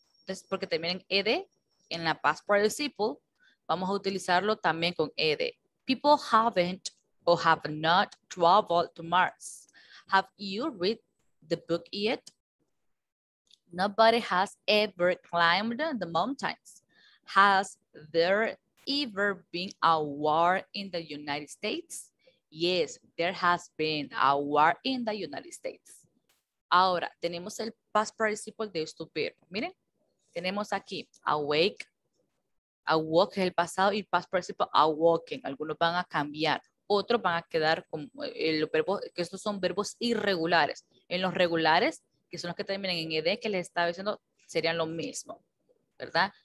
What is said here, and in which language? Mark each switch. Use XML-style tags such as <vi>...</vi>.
<es>Entonces, porque también en ed, en la past participle, vamos a utilizarlo también con ed.</es> <en>People haven't or have not traveled to Mars. Have you read the book yet? Nobody has ever climbed the mountains. Has there ever been a war in the United States? Yes, there has been a war in the United States.</en> <es>Ahora, tenemos el past participle de este verbo. Miren, tenemos aquí, awake, awoke es el pasado y past participle, awoken. Algunos van a cambiar, otros van a quedar como el verbo, que estos son verbos irregulares. En los regulares, que son los que terminan en ed, que les estaba diciendo, serían lo mismo, ¿verdad?</es>